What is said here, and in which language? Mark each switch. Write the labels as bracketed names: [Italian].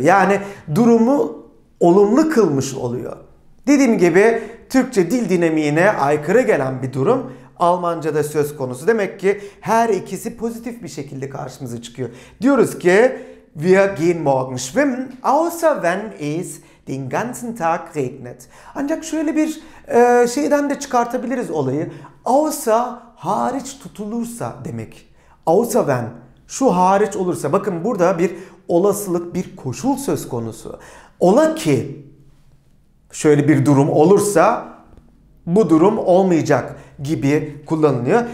[Turkish] Yani durumu olumlu kılmış oluyor. Dediğim gibi Türkçe dil dinamiğine aykırı gelen bir durum Almanca'da söz konusu. Demek ki her ikisi pozitif bir şekilde karşımıza çıkıyor. Diyoruz ki [German] wir gehen morgen schwimmen, außer wenn es den ganzen Tag regnet. [Turkish] Ancak şöyle bir şeyden de çıkartabiliriz olayı. Außer hariç tutulursa demek. Außer wenn şu hariç olursa. Bakın burada bir olasılık, bir koşul söz konusu. Ola ki şöyle bir durum olursa bu durum olmayacak gibi kullanılıyor.